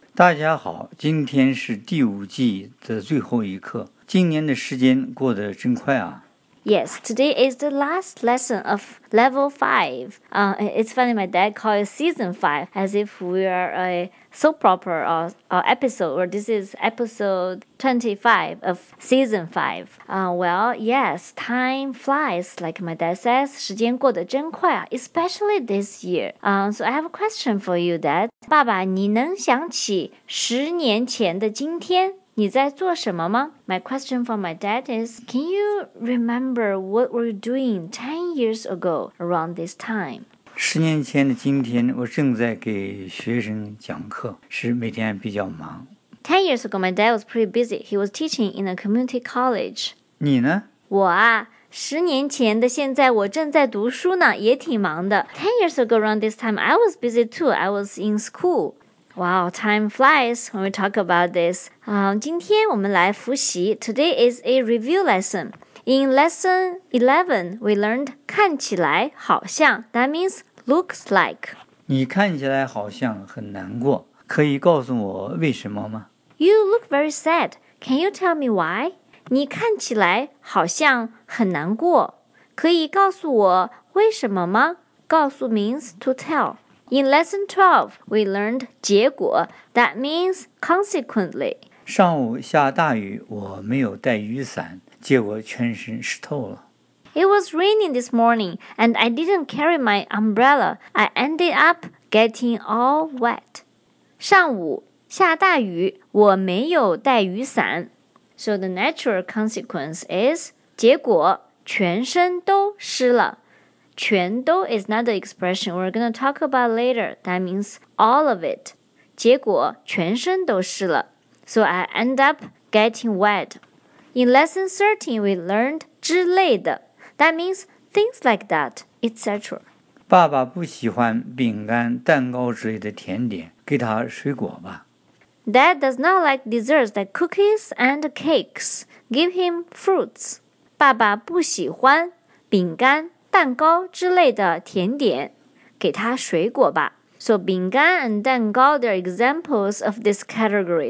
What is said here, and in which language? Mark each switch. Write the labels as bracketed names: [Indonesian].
[Chinese] 大家好，今天是第五季的最后一课。今年的时间过得真快啊。 [English] Yes, today is the last lesson of level 5. It's funny, my dad called it season 5, as if we are a soap opera or episode, or this is episode 25 of season 5. Well, yes, time flies, like my dad says, [Chinese] 时间过得真快啊, [English] especially this year. So I have a question for you, Dad. [Chinese] 爸爸,你能想起十年前的今天? 你在做什么吗? [English] My question for my dad is, can you remember what were you doing 10 years ago around this time? [Chinese] 十年前的今天,我正在给学生讲课,是每天比较忙。 [English] 10 years ago, my dad was pretty busy. He was teaching in a community college. [Chinese] 你呢? 我啊,十年前的现在我正在读书呢,也挺忙的。 [English] 10 years ago around this time, I was busy too. I was in school. Wow, time flies when we talk about this. [Chinese] 今天我们来复习。 [English] Today is a review lesson. In lesson 11, we learned [Chinese] 看起来好像 [English] That means looks like. [Chinese] 你看起来好像很难过。可以告诉我为什么吗? [English] You look very sad. Can you tell me why? [Chinese] 你看起来好像很难过。可以告诉我为什么吗?告诉 [English] means to tell. In lesson 12, we learned 结果, that means consequently. [Chinese] 上午下大雨,我没有带雨伞,结果全身湿透了。 [English] It was raining this morning, and I didn't carry my umbrella. I ended up getting all wet. [Chinese] 上午下大雨,我没有带雨伞。 [English] So the natural consequence is [Chinese] 结果全身都湿了。 [English] 全都 is not the expression we're going to talk about later. That means all of it. [Chinese] 结果全身都湿了。 [English] So I end up getting wet. In lesson 13, we learned 之类的。 That means things like that, etc. [Chinese] 爸爸不喜欢饼干、蛋糕之类的甜点。给他水果吧。 [English] Dad does not like desserts like cookies and cakes. Give him fruits. [Chinese] 爸爸不喜欢饼干。蛋糕之类的甜点,给他水果吧。 [English] So, 饼干 and 蛋糕, they're examples of this category.